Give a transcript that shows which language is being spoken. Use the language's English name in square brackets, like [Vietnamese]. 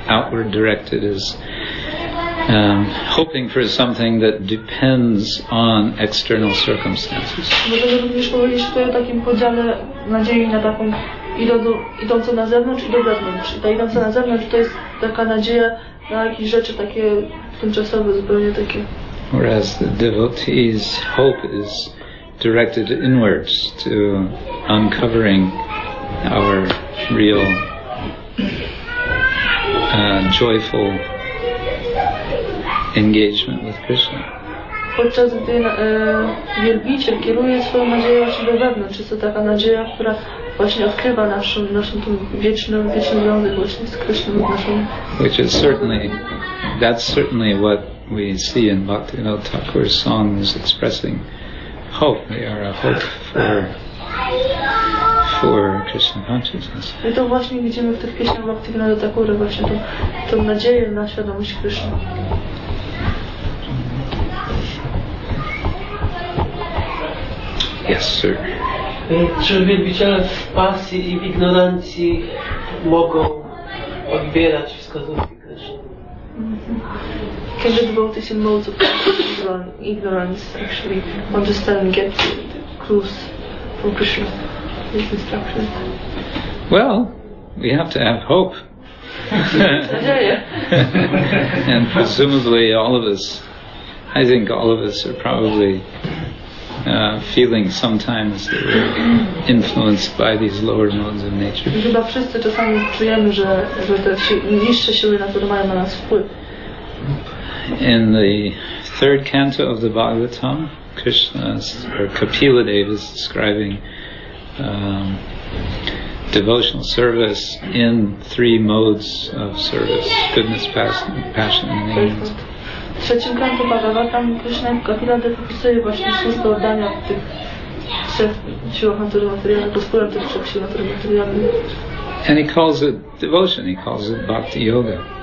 [English] Outward directed is hoping for something that depends on external circumstances. [Polish] Możemy również powiedzieć tutaj o takim podziale nadziei na taką idącą na zewnątrz i do wewnątrz. I ta idąca na zewnątrz to jest taka nadzieja na jakieś rzeczy takie tymczasowe, zupełnie takie. [English] Whereas the devotee's hope is directed inwards to uncovering our real joyful engagement with Krishna. [Polish] Podczas gdy wielbiciel kieruje swoją nadzieję właśnie do wewnątrz, jest to taka nadzieja, która właśnie odkrywa naszą tą wieczną związek właśnie z Krishna, naszą. [English] Which is certainly, that's certainly what we see in Bhaktivinoda Thakur's songs expressing. Hope, they are a hope for Krishna consciousness. [Polish] I to właśnie widzimy w tych pieśniach Bhaktivinoda Thakura, właśnie tą nadzieję na świadomość Krishna. [English] Yes, sir. [Polish] Czy wielbiciele w pasji i w ignorancji mogą odbierać wskazówki Krishna? [English] Can the devotees in modes of ignorance actually understand, get clues from Krishna, his instructions? Well, we have to have hope. And presumably all of us, I think all of us are probably feeling sometimes that we're influenced by these lower modes of nature. [Polish] Chyba wszyscy czasami czujemy, że te niższe siły natury mają na nas wpływ. [English] In the third canto of the Bhagavatam, Krishna or Kapila Deva is describing devotional service in three modes of service: goodness, passion, and anger. [Polish] W trzecim kanto Bhagavatam Krishna Kapila Deva opisuje właśnie służbę oddania w tych trzech siłach natury materialnej, pospólam tych trzech sił natury materialnej. [English] And he calls it devotion, he calls it bhakti yoga.